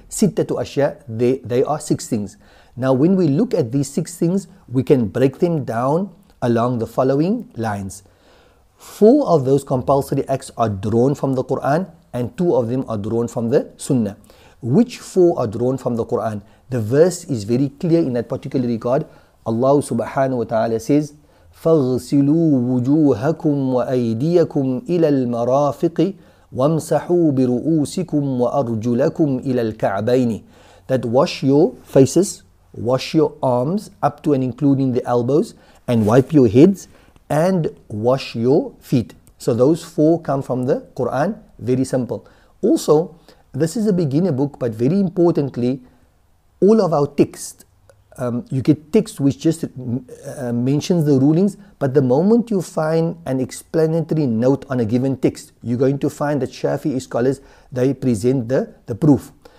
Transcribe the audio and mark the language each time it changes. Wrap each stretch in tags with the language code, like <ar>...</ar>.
<ar>Sittatu ashya,</ar> <en>they are six things. Now when we look at these six things, we can break them down along the following lines. Four of those compulsory acts are drawn from the Quran, and two of them are drawn from the Sunnah. Which four are drawn from the Quran? The verse is very clear in that particular regard. Allah subhanahu wa ta'ala says,</en> <ar>فَغْسِلُوا وُجُوهَكُمْ وَأَيْدِيَكُمْ إِلَى الْمَرَافِقِ وَامْسَحُوا بِرُؤُوسِكُمْ وَأَرْجُلَكُمْ إِلَى الْكَعْبَيْنِ.</ar> <en>That wash your faces, wash your arms up to and including the elbows, and wipe your heads, and wash your feet. So those four come from the Quran, very simple. Also, this is a beginner book, but very importantly, all of our texts, you get text which just mentions the rulings, but the moment you find an explanatory note on a given text, you're going to find that Shafi'i scholars, they present the proof.</en>